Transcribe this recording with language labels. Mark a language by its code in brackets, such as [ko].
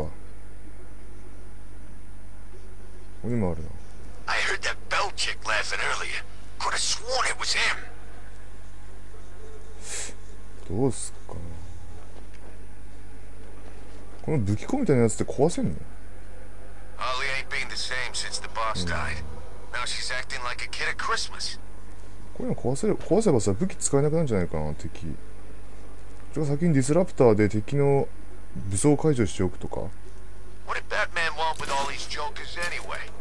[ja] ここにもあるな。 [en] I heard that Bell chick laughing earlier. Could have sworn it was him. [ja] どうすっかな。この武器庫みたいなやつって壊せんの？ [en] Holly ain't been the same since the boss died. Now she's acting like a kid at Christmas. [ja] こういうの壊せばさ、武器使えなくなるんじゃないかな、敵。じゃあ先にディスラプターで敵の武装解除しておくとか。 [en] What did Batman want with all these jokers anyway?